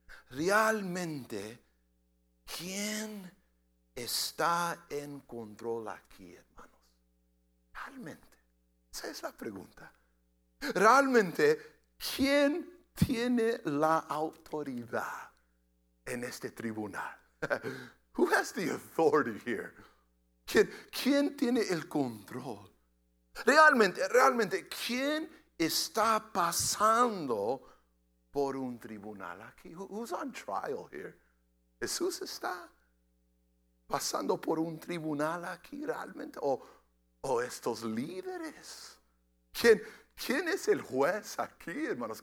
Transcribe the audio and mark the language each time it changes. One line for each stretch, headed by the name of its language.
Spanish: Realmente, ¿quién está en control aquí, hermanos? Realmente, esa es la pregunta. Realmente, ¿quién tiene la autoridad en este tribunal?
English: Who has the authority here?
Spanish: ¿Quién tiene el control? Realmente, ¿quién está pasando por un tribunal aquí?
English: Who's on trial here?
Spanish: ¿Jesús está pasando por un tribunal aquí realmente? ¿O estos líderes? ¿Quién es el juez aquí, hermanos?